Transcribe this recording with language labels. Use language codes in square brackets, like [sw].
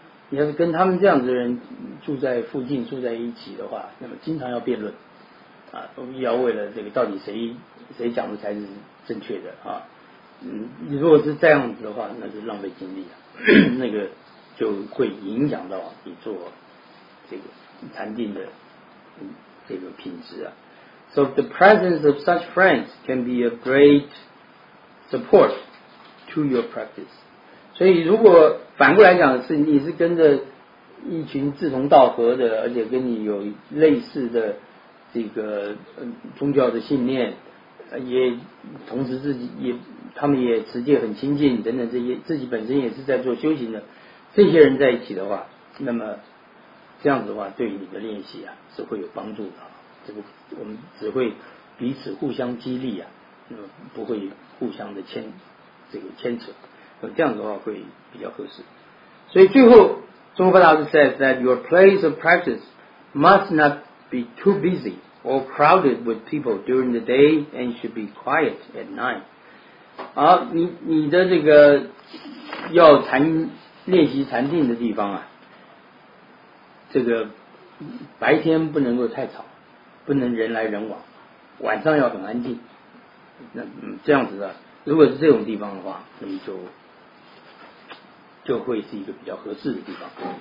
[zh] 你要是跟他们这样子的人住在附近住在一起的话，那么经常要辩论啊，要为了这个到底谁讲的才是正确的啊？如果是这样子的话，那是浪费精力啊，那个就会影响到你做这个禅定的这个品质啊。 [en] So the presence of such friends can be a great support to your practice. [zh] 所以如果反过来讲，是你是跟着一群志同道合的，而且跟你有类似的这个宗教的信念，也同时自己也他们也持戒很清净等等，这些自己本身也是在做修行的，这些人在一起的话，那么这样子的话对于你的练习啊是会有帮助的，这个我们只会彼此互相激励啊，不会互相的牵扯，这样子的话会比较合适。所以最后中国佛大师 [en] says that your place of practice must notbe too busy or crowded with people during the day and should be quiet at night. [zh] 好，你的这个要练习禅定的地方啊，这个白天不能够太吵，不能人来人往，晚上要很安静。那这样子的，如果是这种地方的话，那么就会是一个比较合适的地方。